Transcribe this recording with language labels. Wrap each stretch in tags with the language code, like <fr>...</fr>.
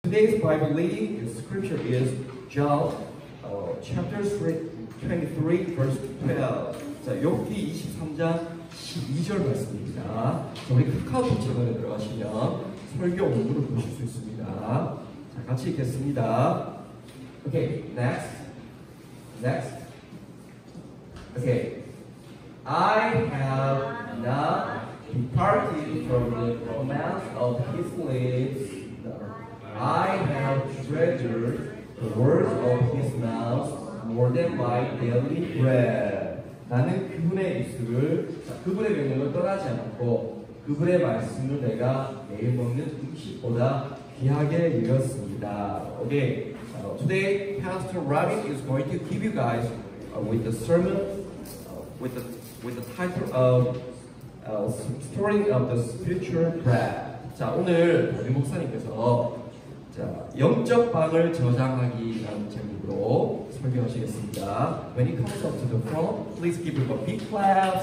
<en>Today's Bible reading and scripture is John chapter 23, verse 12.</en> <ko>자, 욥기 23장 12절 말씀입니다. 우리 카카오톡 채널에 들어가시면 설교 원문을 보실 수 있습니다. 자, 같이 읽겠습니다.</ko> <en>Okay, next. Next. Okay. I have not departed from the promise of his lips. I have treasured the words of his mouth more than my daily bread.</en> <ko>나는 그분의 입술을, 자, 그분의 명령을 떠나지 않고 그분의 말씀을 내가 매일 먹는 음식보다 귀하게 여겼습니다.</ko> <en>Okay. Today, Pastor Robin is going to give you guys with the sermon with the title of Storing of the Spiritual Bread.</en> <ko>자, 오늘 우리 목사님께서 영적 빵을 저장하기라는 제목으로 설명하시겠습니다.</ko> <en>When he comes up to the front, please give him a big clap.</en>